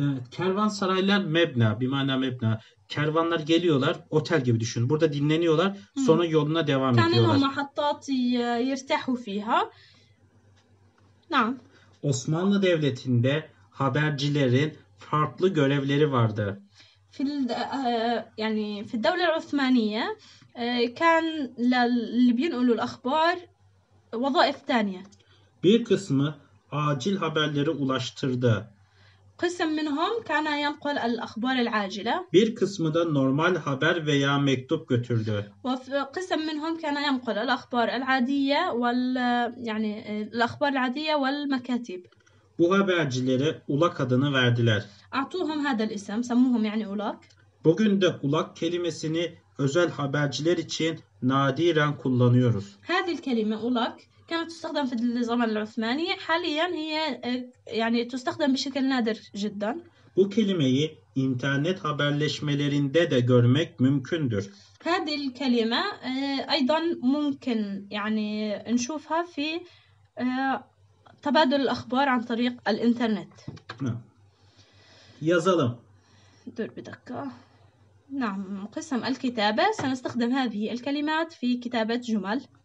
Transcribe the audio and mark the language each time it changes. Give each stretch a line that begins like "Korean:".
Turkish: Kervansaraylar mebna, bir mana mebna. Kervanlar geliyorlar, otel gibi düşün. Burada dinleniyorlar, sonra yoluna devam
Arabic: كانوا
Turkish: ediyorlar.
Arabic: محطات يرتاحوا فيها. نعم.
Turkish: Osmanlı Devleti'nde habercilerin farklı görevleri vardı.
Arabic: في الدولة العثمانية كان اللي بينقلوا الأخبار وظائف ثانية.
Turkish: Bir kısmı acil haberleri ulaştırdı.
Arabic: قسم منهم كان ينقل الأخبار العاجلة.
Turkish: Bir kısmı da normal haber veya mektup götürdü.
Arabic: وقسم منهم كان ينقل الأخبار العادية يعني الأخبار العادية والمكاتب.
Turkish: Bu habercilere ulak adını verdiler.
Arabic: أعطوهم هذا الاسم سموهم يعني أولاك.
Turkish: Bugün de ulak kelimesini özel haberciler için nadiren kullanıyoruz.
Arabic: هذه الكلمة أولاك كانت تستخدم في الزمن العثماني حاليا هي يعني تستخدم بشكل نادر جدا.
Turkish: Bu kelimeyi internet haberleşmelerinde de görmek mümkündür.
Arabic: هذه الكلمة أيضا ممكن يعني نشوفها في تبادل الأخبار عن طريق الإنترنت.
Turkish: Yazalım.
Arabic: دور بدقة. نعم قسم الكتابة سنستخدم هذه الكلمات في كتابة جمل.